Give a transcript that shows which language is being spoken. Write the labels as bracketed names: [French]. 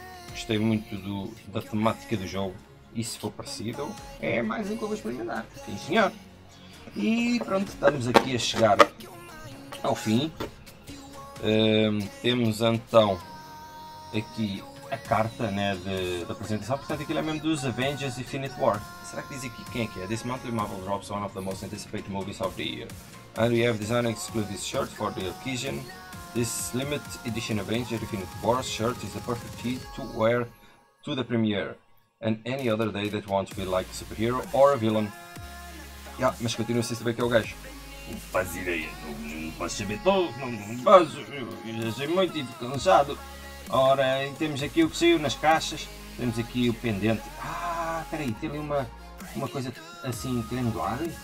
[Portuguese] Gostei muito do, da temática do jogo. E se for parecido, é mais um que eu vou experimentar. Sim, senhor. E pronto, estamos aqui a chegar ao fim. Temos então aqui a carta, né, de apresentação. Portanto, aquilo é mesmo dos Avengers Infinity War. Será que diz aqui quem é que é? [English] This monthly Marvel drops one of the most anticipated movies of the year. And we have designed an exclusive shirt for the occasion. This limited edition Avengers Infinity War shirt is the perfect fit to wear to the premiere. And any other day that wants to be like a superhero or a villain. [Portuguese] Yeah, mas continuo sem saber quem é o gajo. Não faz ideia, não posso saber todo, não posso, já sou muito cansado. Ora, e temos aqui o que saiu nas caixas, temos aqui o pendente. Ah, peraí, tem ali uma coisa assim triangular.